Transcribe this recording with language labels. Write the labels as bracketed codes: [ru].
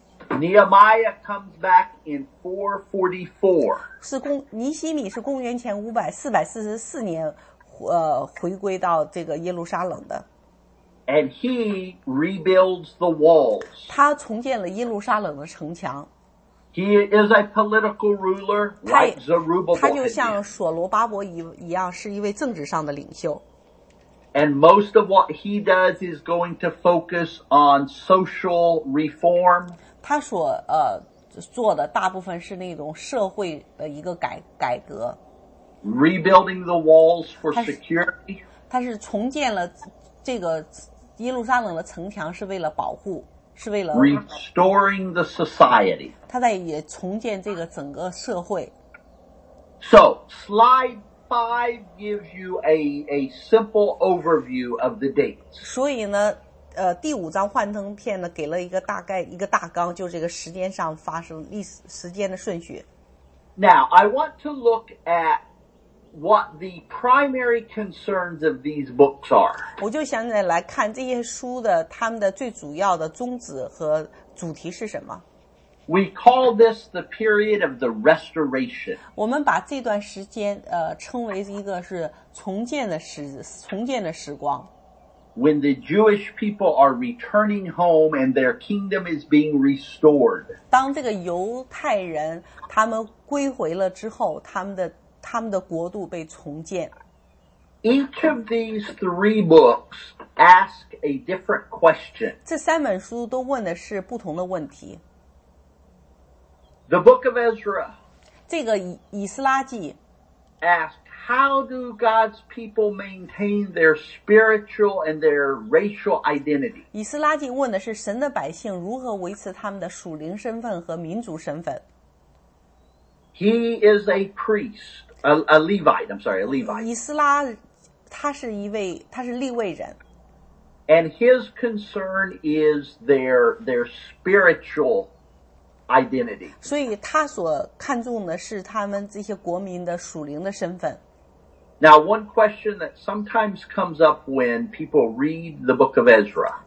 [en] Nehemiah comes back in 444. [zh] 尼希米是公元前544年回归到这个耶路撒冷的。 [en] And he rebuilds the walls. [zh] 他重建了耶路撒冷的城墙。 [en] He is a political ruler like Zerubbabel. [zh] 他就像所罗巴伯一样，是一位政治上的领袖。 [en] And most of what he does is going to focus on social reform. [zh] 他所做的大部分是那种社会的一个改革。 [en] Rebuilding the walls for security. [zh] 他是重建了这个耶路撒冷的城墙，是为了保护，是为了 [en] restoring the society. [zh] 他在也重建这个整个社会。 [en] So, slide. Five gives you a simple overview of the dates. [zh] 所以呢，第五张幻灯片呢，给了一个大概一个大纲，就是这个时间上发生历史时间的顺序。 [en] Now I want to look at what the primary concerns of these books are. [zh] 我就想再来看这些书的他们的最主要的宗旨和主题是什么。 [en] We call this the period of the restoration. [zh] 我们把这段时间称为一个是重建的时光。 [en] When the Jewish people are returning home and their kingdom is being restored. [zh] 当这个犹太人他们归回了之后，他们的国度被重建。 [en] Each of these three books ask a different question. [zh] 这三本书都问的是不同的问题。 [en] The book of Ezra. [zh] 这个以斯拉记 [en] asked, how do God's people maintain their spiritual and their racial identity? [zh] 以斯拉记问的是神的百姓如何维持他们的属灵身份和民族身份。 [en] He is a priest, a Levite. [zh] 以斯拉他是利未人。 [en] And his concern is their spiritual identity. [zh] 所以他所看重的是他们这些国民的属灵的身份。 [en] Now, one question that sometimes comes up when people read the book of Ezra.